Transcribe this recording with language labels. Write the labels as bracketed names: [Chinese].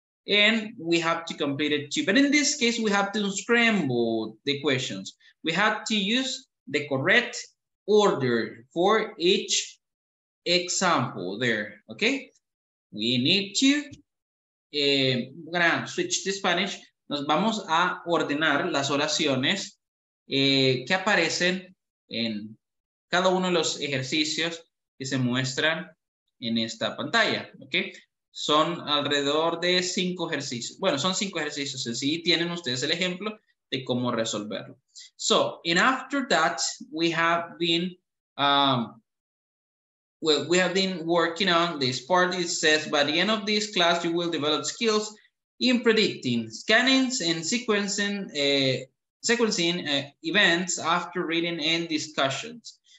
[English] And we have to complete it too. But in this case, we have to scramble the questions. We have to use the correct order for each example there, okay? We need to, we're gonna switch to Spanish. [Spanish] Nos vamos a ordenar las oraciones que aparecen en cada uno de los ejercicios que se muestran en esta pantalla, ¿ok? Son alrededor de 5 ejercicios. Bueno, son 5 ejercicios. Así tienen ustedes el ejemplo de cómo resolverlo. [English] So, and after that, we have been, we have been working on this part. It says, by the end of this class, you will develop skills in predicting, scanning, and sequencing, events after reading and discussions.